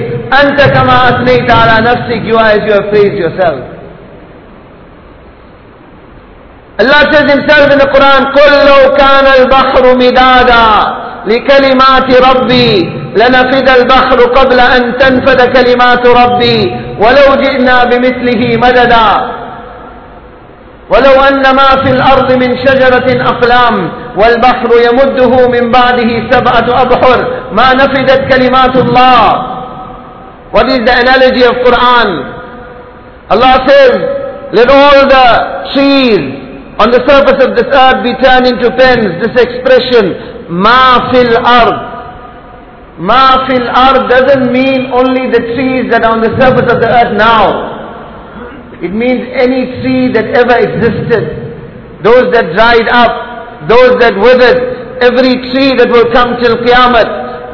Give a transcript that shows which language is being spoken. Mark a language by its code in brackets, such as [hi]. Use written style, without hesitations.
[ar] Anta kama athnayta ala nafsik. [en] You are as you have praised yourself. Allah says Himself in the Quran, [ar] kullu kana al-bahru midada likalimati rabbi لَنَفِدَ الْبَحْرُ قَبْلَ أَن تَنْفَدَ كَلِمَاتُ رَبِّي وَلَوْ جِئْنَا بِمِثْلِهِ مَدَدًا وَلَوْ أَنَّ مَا فِي الْأَرْضِ مِنْ شَجَرَةٍ أَقْلَامٌ وَالْبَحْرُ يَمُدُّهُ مِنْ بَعْدِهِ سَبْعَةُ أَبْحُرٍ مَا نَفِدَتْ كَلِمَاتُ اللَّهِ. [en] What is the analogy of Quran? Allah says, let all the trees on the surface of this earth be turned into pens. [ar] This expression, مَا فِي الْأَرْضِ. [en] Ma fil ard doesn't mean only the trees that are on the surface of the earth now. It means any tree that ever existed. Those that dried up, those that withered, every tree that will come till Qiyamah.